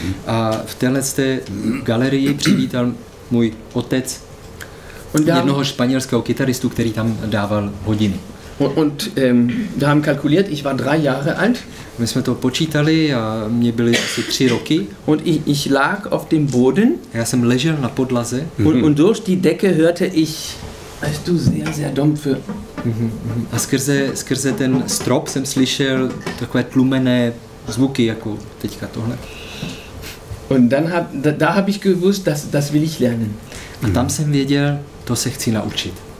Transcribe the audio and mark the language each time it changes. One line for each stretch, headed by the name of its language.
Czech: A v téhleté galerii přivítal můj otec jednoho španělského kytaristu, který tam dával hodiny.
German: Wir haben kalkuliert, ich war 3 Jahre alt.
Czech: My jsme to počítali a mě byly asi 3 roky.
German: Und ich lag auf dem Boden.
Czech: Já jsem ležel na podlaze.
German: Und durch die Decke hörte ich, als du sehr, sehr dumpfe.
Czech: A skrze ten strop jsem slyšel takové tlumené zvuky, jako teďka tohle.
German: Und dann da habe ich gewusst, dass das will ich lernen.
Czech: A tam jsem věděl, to se chci naučit.